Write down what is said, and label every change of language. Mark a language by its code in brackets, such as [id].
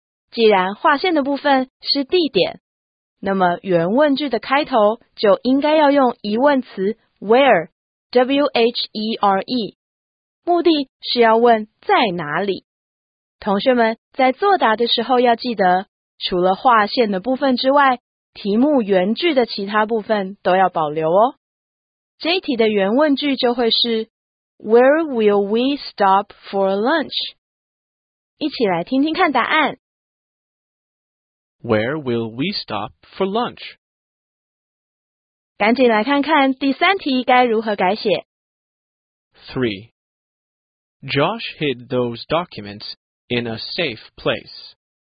[zh] 既然划线的部分是地点，那么原问句的开头就应该要用疑问词 where W-H-E-R-E， 目的是要问在哪里。同学们在作答的时候要记得，除了划线的部分之外，题目原句的其他部分都要保留哦。这一题的原问句就会是 [en] Where will we stop for lunch？ [zh] 一起来听听看答案。 [en] Where will we stop for lunch? [zh] 赶紧来看看第三题该如何改写。 3. [en] Josh hid those documents in a safe place.